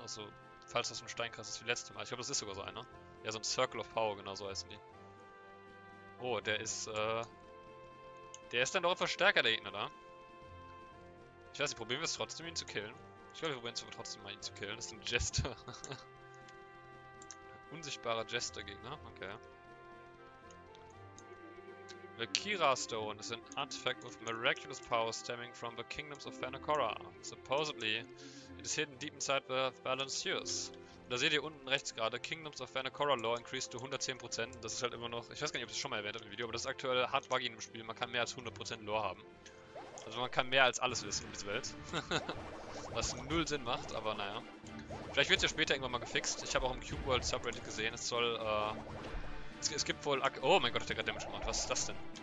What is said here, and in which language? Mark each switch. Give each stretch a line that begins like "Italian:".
German: Also, falls das ein Steinkreis ist wie letztes Mal. Ich glaube, das ist sogar so einer. Ja, so ein Circle of Power, genau so heißen die. Oh, der ist. Der ist dann doch etwas stärker, der Gegner da. Ich weiß nicht, probieren wir es trotzdem, ihn zu killen. Ich glaube, wir probieren es aber trotzdem mal, ihn zu killen. Das ist ein Jester. Ein unsichtbarer Jester-Gegner. Okay.
English: The Kira Stone is an artifact with miraculous power stemming from the kingdoms of Phanacora. Supposedly, it is hidden deep inside the Balanciers.
German: Da seht ihr unten rechts gerade,
English: Kingdoms of Phanacora Lore increased to 110%.
German: Das ist halt immer noch, ich weiß gar nicht, ob ich es schon mal erwähnt habe im Video, aber das ist aktuell hart buggy im Spiel. Man kann mehr als 100% Lore haben. Also man kann mehr als alles wissen in dieser Welt. Was null Sinn macht, aber naja. Vielleicht wird es ja später irgendwann mal gefixt. Ich habe auch im Cube World Subreddit gesehen, es soll, es gibt wohl oh mein Gott, hat der gerade Damage gemacht. Was ist das denn?